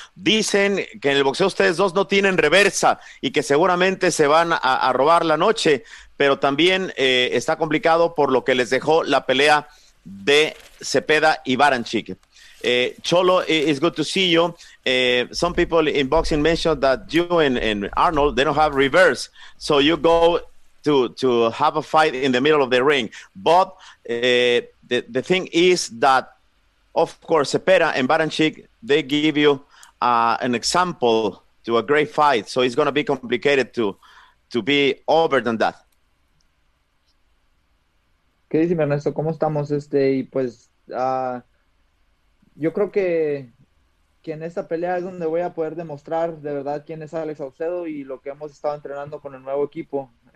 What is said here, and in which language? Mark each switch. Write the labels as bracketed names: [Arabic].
[Spanish] Dicen que en el boxeo ustedes dos no tienen reversa y que seguramente se van a robar la noche, pero también está complicado por lo que les dejó la pelea de Cepeda y Baranchik. [English] Cholo, it's good to see you. Some people in boxing mentioned that you and Arnold, they don't have reverse, so you go to have a fight in the middle of the ring. But the thing is that, of course, Cepeda and Baranchik, they give you an example to a great fight. So it's going to be complicated to be over than that. [Spanish] ¿Qué dice, Ernesto? ¿Cómo estamos? Y pues yo creo que en esta pelea es donde voy a poder demostrar de verdad quién es Alex Saucedo y lo que hemos estado entrenando con el nuevo equipo.